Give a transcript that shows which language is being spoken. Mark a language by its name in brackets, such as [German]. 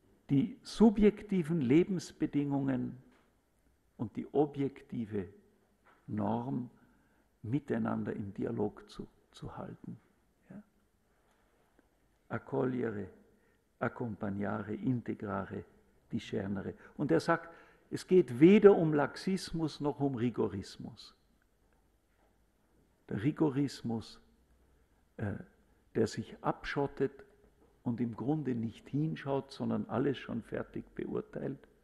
[German] Die subjektiven Lebensbedingungen und die objektive Norm miteinander im Dialog zu halten. Ja. [Italian] Accogliere, accompagnare, integrare, discernere. [German] Und er sagt, es geht weder um Laxismus noch um Rigorismus. Der Rigorismus, der sich abschottet und im Grunde nicht hinschaut, sondern alles schon fertig beurteilt.